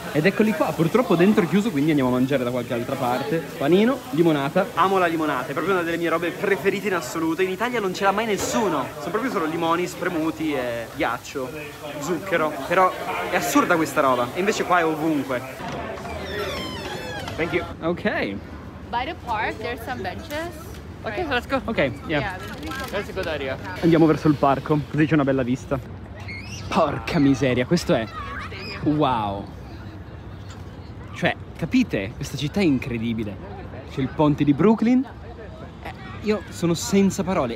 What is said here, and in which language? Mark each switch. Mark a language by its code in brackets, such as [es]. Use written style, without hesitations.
[it] Ed eccoli qua, purtroppo dentro è chiuso, quindi andiamo a mangiare da qualche altra parte. Panino, limonata. Amo la limonata, è proprio una delle mie robe preferite in assoluto. In Italia non ce l'ha mai nessuno. Sono proprio solo limoni spremuti e ghiaccio, zucchero. Però è assurda questa roba. E invece qua è ovunque. [en] Thank you. Ok. By the park there's some benches. Ok, let's go. Ok, yeah. That's a good idea. [it] Andiamo verso il parco, così c'è una bella vista. Porca miseria, questo è... Wow. Cioè, capite? Questa città è incredibile. C'è il ponte di Brooklyn. Io sono senza parole.